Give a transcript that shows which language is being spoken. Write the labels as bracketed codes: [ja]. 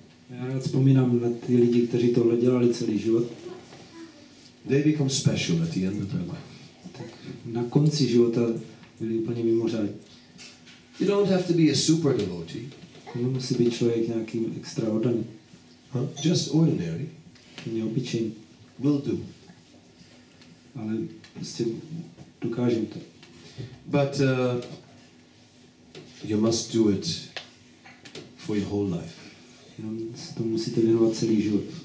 [cs] Já rád vzpomínám na ty lidi, kteří tohle dělali celý život. [en] They become special at the end of their life. [cs] Tak na konci života byli úplně mimořádní. [en] You don't have to be a super devotee. [cs] Nemusí být člověk nějakým extra oddaný. [en] Just ordinary. [cs] Neobyčejný. [en] Will do. [cs] Ale prostě dokážem to. [en] But you must do it for your whole life. [cs] Jenom si to musíte věnovat celý život.